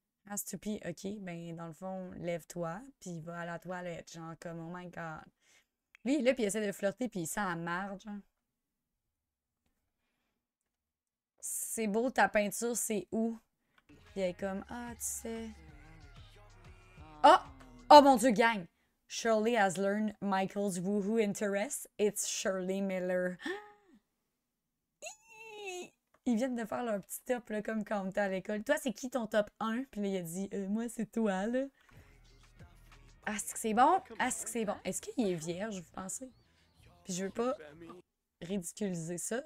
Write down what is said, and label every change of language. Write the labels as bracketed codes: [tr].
[en] Ask to pee, [fr] OK, ben, dans le fond, lève-toi, puis va à la toilette, genre, comme, [en] oh my god. [fr] Lui, là, puis il essaie de flirter, puis il sent la marge, genre. C'est beau, ta peinture, c'est où? Puis elle est comme, ah, oh, tu sais. Oh! Oh, mon Dieu, gang! [en] Shirley has learned Michael's woohoo interest. It's Shirley Miller. [fr] Ils viennent de faire leur petit top, là, comme quand t'es à l'école. Toi, c'est qui ton top 1? Puis là, il a dit, moi, c'est toi, là. Est-ce que c'est bon? Est-ce que c'est bon? Est-ce qu'il est vierge, vous pensez? Puis je veux pas ridiculiser ça.